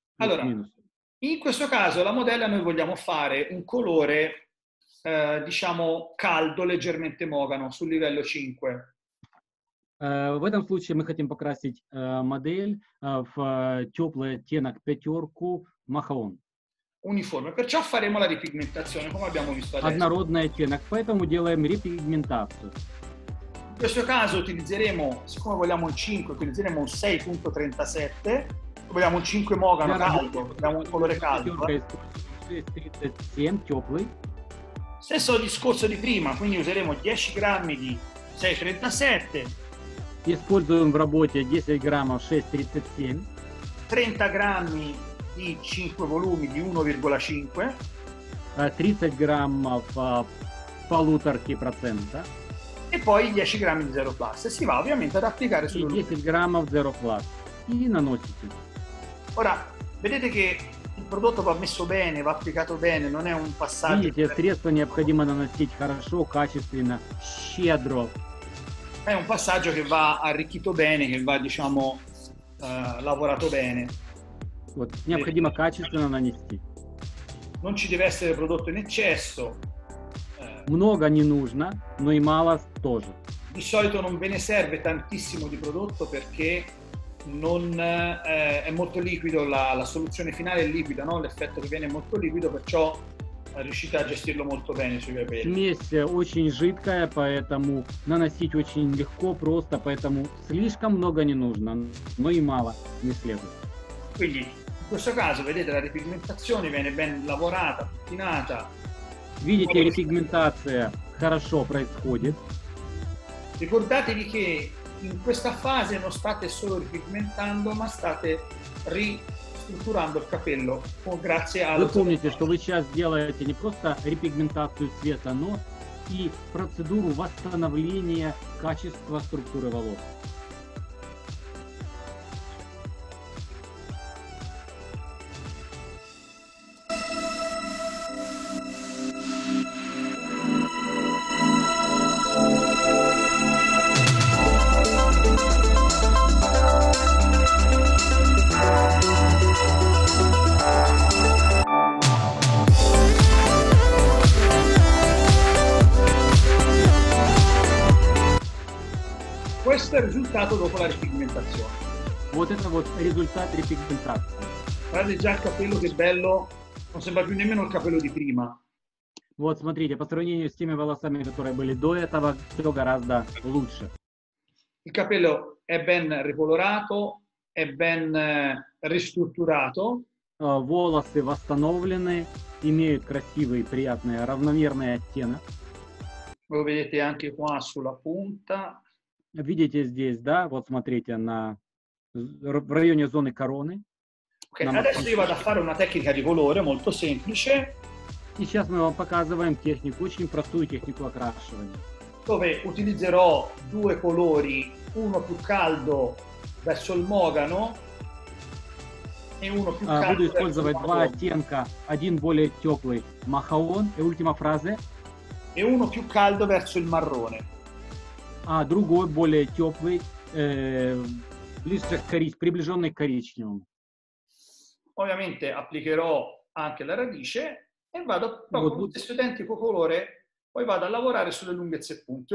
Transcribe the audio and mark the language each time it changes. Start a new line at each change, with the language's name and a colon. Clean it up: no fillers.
Italian: Allora, in questo caso la modella noi vogliamo fare un colore, diciamo, caldo, leggermente mogano, sul livello 5.
Russian: В этом случае мы хотим покрасить модель в теплый оттенок пятерку махаон. Униформе.
Italian: Perciò faremo la ripigmentazione, come abbiamo visto adesso.
Russian: Однородный оттенок, поэтому делаем репигментацию. В
Italian: questo caso utilizzeremo, siccome vogliamo un 5, utilizzeremo un 6.37. Vogliamo un 5 mogano caldo, vogliamo un colore caldo.
Russian: 6.37 теплый.
Italian: Stesso discorso di prima, quindi useremo 10 grammi di 6.37.
Russian: Используем в работе 10 граммов 6,37. 30 граммов и
Italian: 5 volumi di 1,5.
Russian: 30 граммов 1,5%. И
Italian: poi
Russian: 10 граммов
Italian: 0 plus. Si va ovviamente ad applicare sul
Russian: 10 граммов 0 plus. И наносите.
Italian: Ora, vedete che il prodotto va messo bene, va applicato bene, non è un passaggio.
Russian: Видите, средство необходимо наносить хорошо, качественно, щедро.
Italian: È un passaggio che va arricchito bene, che va, diciamo, lavorato bene.
Russian: Вот, необходимо качественно нанести.
Italian: Non ci deve essere prodotto in eccesso.
Russian: Много не нужно, но и мало тоже.
Italian: Di solito non ve ne serve tantissimo di prodotto perché non è molto liquido, la soluzione finale è liquida, no? L'effetto che viene è molto liquido, perciò riuscite a gestirlo molto bene sui capelli.
Russian: Смесь очень жидкая, поэтому наносить очень легко, просто, поэтому слишком много не нужно, но и мало не следует.
Italian: Quindi in questo caso vedete la ripigmentazione viene ben lavorata, pattinata.
Russian: Видите, репигментация хорошо происходит.
Italian: Ricordatevi che in questa fase non state solo ripigmentando, ma state ristrutturando il capello grazie al. Ricordate che voi
Russian: сейчас делаете не просто репигментацию цвета, но и процедуру восстановления качества структуры волос.
Italian: Dopo la ripigmentazione.
Russian: Вот это вот результат репигментации.
Italian: Guardate già il capello che bello, non sembra più nemmeno il capello di prima.
Russian: Вот смотрите, по сравнению с теми волосами, которые были до этого, все гораздо лучше.
Italian: Il capello è ben ricolorato, è ben ristrutturato.
Russian: Волосы восстановлены, имеют красивый, приятный, равномерный оттенок. Вы видите
Italian: anche qua sulla punta.
Russian: Видите здесь, да? Вот смотрите на в районе зоны короны.
Italian: Okay, adesso маскунчик. Io vado a fare una tecnica di colore molto semplice.
Russian: И сейчас мы вам показываем технику, очень простую технику окрашивания.
Italian: Dove utilizzerò due colori, uno più caldo verso il mogano e uno più caldo.
Russian: Буду использовать два оттенка, один более теплый махаон
Italian: e ultima frase. E uno più caldo verso il marrone.
Russian: А другой, более теплый, ближе к приближенный к коричневому.
Italian: Ovviamente applicherò anche la radice e vado proprio con lo stesso identico colore, poi vado a lavorare sulle lunghezze punte.